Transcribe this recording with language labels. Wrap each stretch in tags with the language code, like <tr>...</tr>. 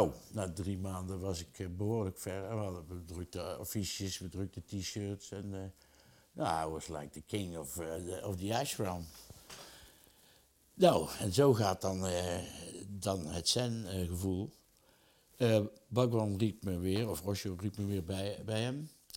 <nl>Na 3 maanden was ik behoorlijk ver. We drukten affiches, we drukten t-shirts.</nl> <en>En I was like the king of the ashram.</en> <nl>Nou, en zo gaat dan het zen-gevoel. Bhagwan riep me weer, of Osho riep me weer bij hem.</nl>